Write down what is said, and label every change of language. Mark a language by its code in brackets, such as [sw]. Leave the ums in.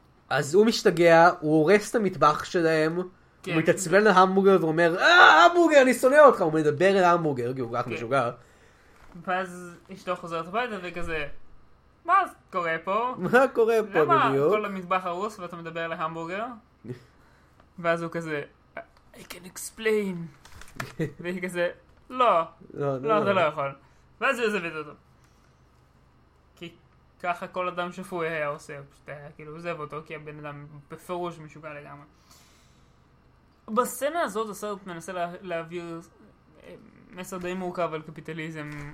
[he] אז הוא משתגע, הוא הורס את המטבח שלהם, הוא okay. מתעצבן okay. על המבורגר ואומר, אה, המבורגר, אני שונא אותך, הוא מדבר על המבורגר, כי הוא כל כך משוגע. ואז אשתו לא חוזרת הביתה וכזה, מה קורה פה? מה קורה פה למה בדיוק? למה כל המטבח הרוס ואתה מדבר על המבורגר? ואז הוא כזה, [en] I can explain. [he] והיא כזה, לא, לא, אתה לא יכול. ואז היא עוזבת אותו. כי ככה כל אדם שפוי היה עושה, פשוט היה כאילו עוזב אותו, כי הבן אדם בפירוש משוגע לגמרי. בסצנה הזאת הסרט מנסה להעביר מסר די מורכב על קפיטליזם.